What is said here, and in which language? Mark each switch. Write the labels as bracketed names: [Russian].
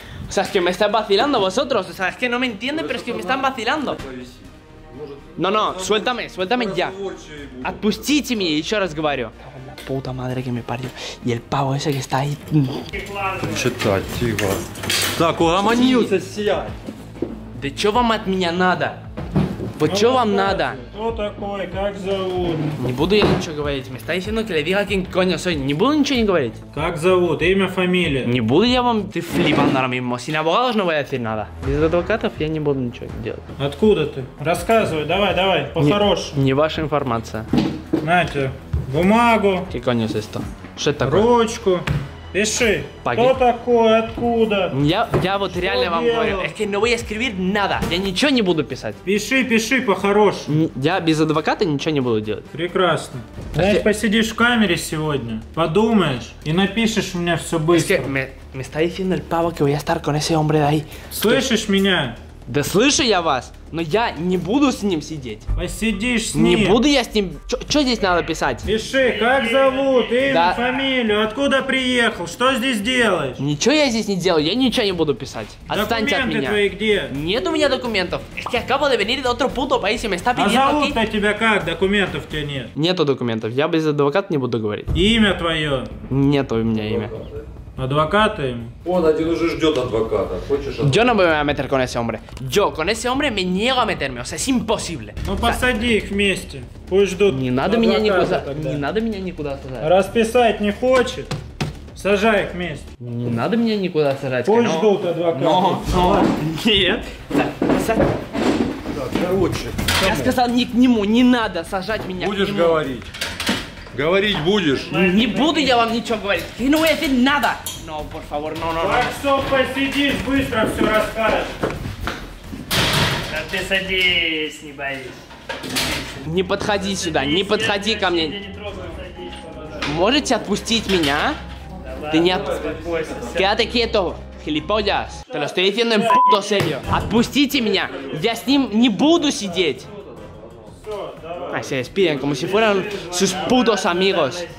[Spanish] O sea, es que me están vacilando vosotros. O sea, es que no me entienden, pero es que me están vacilando. No, no, suéltame, suéltame ya. [Russian] Отпустите меня, еще раз говорю. [Spanish] Puta madre que me parió. Y el pavo ese que está ahí. [Russian] Читать, тихо. Так, угомонился, сядь. Да что вам от меня надо? Вот что вам надо? Кто такой? Как зовут? Не буду я ничего говорить. [Spanish] Me está diciendo que le diga quién coño soy. [Russian] Не буду ничего не говорить. Как зовут? Имя, фамилия? Не буду я вам... Ты флипал на мимо. [Spanish] Sin abogados no voy a decir nada. [Russian] Без адвокатов я не буду ничего делать. Откуда ты? Рассказывай, давай, давай, по-хорошему. Не ваша информация. Знаете, бумагу. [Spanish] Que coño es esto? [Russian] Что это такое? Ручку. Пиши. Паги. Кто такой? Откуда? Я вот что реально делал? Вам говорю. [Spanish] Es que no voy a escribir nada. [Russian] Я ничего не буду писать. Пиши, пиши по-хорошему. Я без адвоката ничего не буду делать. Прекрасно. Знаешь, посидишь в камере сегодня, подумаешь и напишешь у меня все быстро. [Spanish] Es que me está diciendo el pavo que voy a estar con ese hombre de ahí. [Russian] Слышишь que... меня? Да слышу я вас, но я не буду с ним сидеть. Посидишь с ним. Не буду я с ним. Что здесь надо писать? Пиши, как зовут, имя, да. Фамилию, откуда приехал, что здесь делаешь? Ничего я здесь не делаю, я ничего не буду писать. Отстаньте документы от меня. Документы твои где? Нет у меня документов. [Spanish] Es que acabo de venir de otro puto país y me está pidiendo. [Russian] А зовут-то тебя как? Документов у тебя нет. Нету документов, я без адвоката не буду говорить. Имя твое? Нету у меня имя. Адвоката им? Он один уже ждет адвоката. Хочешь адвоката? [Spanish] Yo no me voy a meter con ese hombre. Yo con ese hombre me niego a meterme. O sea, es imposible. [Russian] Ну посади их вместе. Пусть ждут. Не надо меня никуда сажать. Не надо меня никуда сажать. Расписать не хочет. Сажай их вместе. Не надо меня никуда сажать. Пусть ждут адвоката. Нет. Так, короче. Я сказал не к нему, не надо сажать меня. Будешь говорить. Говорить будешь? Не буду я вам ничего говорить. Ты не уйти надо. [Spanish] Но, por favor, no. [Russian] Так что посидишь, быстро все расскажешь. Да ты садись, не боись. Не подходи ты сюда, садись, не подходи ко мне. Не трогаю, садись, можете отпустить меня? Да ты ладно, не отпускай. [Spanish] Quédate quieto, gilipollas. Te lo estoy diciendo en puto serio. [Russian] Отпустите меня, я с ним не буду сидеть. [Spanish] Ay, se despiden como si fueran sus putos amigos.